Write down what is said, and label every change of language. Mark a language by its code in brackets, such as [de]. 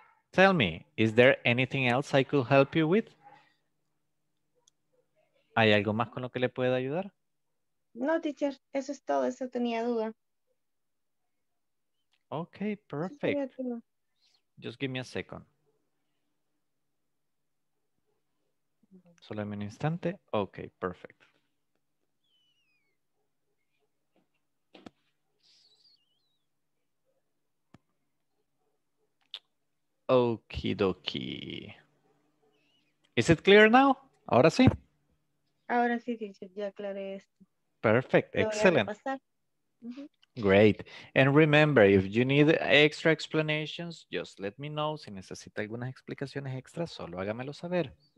[en] Tell me, is there anything else I could help you with? [es] ¿Hay algo más con lo que le pueda ayudar? No, teacher, eso es todo, eso tenía duda. [en] Ok, perfect. Just give me a second. [es] Solamente un instante. [en] Ok, perfect. Okie dokie. Is it clear now? [es] ¿Ahora sí? Ahora sí, teacher, ya aclaré esto. [en] Perfect, excellent. Great. And remember, if you need extra explanations, just let me know. [es] Si necesita algunas explicaciones extras, solo hágamelo saber.